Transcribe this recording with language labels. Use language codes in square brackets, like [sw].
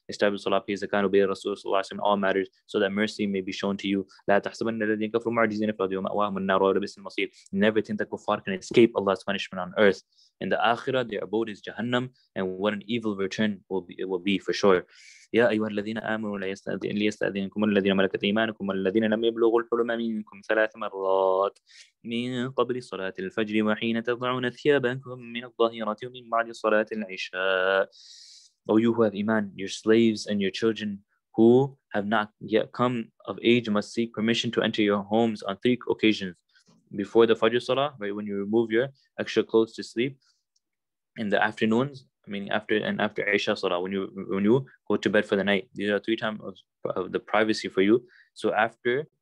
[en] Establish salah, pay zakah, and obey the Rasul sallallahu alaihi wasallam in all matters, so that mercy may be shown to you. [ar] لَا تَحْسَبَنَّ الَّذِينَ كَفَرُوا مُعْجِزِينَ فِي الْأَرْضِ وَمَأْوَاهُمُ النَّارُ وَلَبِئْسَ الْمَصِيرُ. [en] Never think that kuffar can escape Allah's punishment on earth. In the akhirah, their abode is Jahannam, and what an evil return will be for sure. [ar] يا أيها الذين آمنوا ليستأذنكم الذين ملكت أيمانكم والذين لم يبلغوا الحلم منكم ثلاث مرات من قبل صلاة الفجر وحين تضعون ثيابكم من الظهيرة ومن بعد صلاة العشاء. [en] O you who have iman, your slaves and your children who have not yet come of age must seek permission to enter your homes on three occasions: before the Fajr Salah, right when you remove your extra clothes to sleep; in the afternoons, meaning after Isha Salah, when you go to bed for the night. These are three times of the privacy for you. So after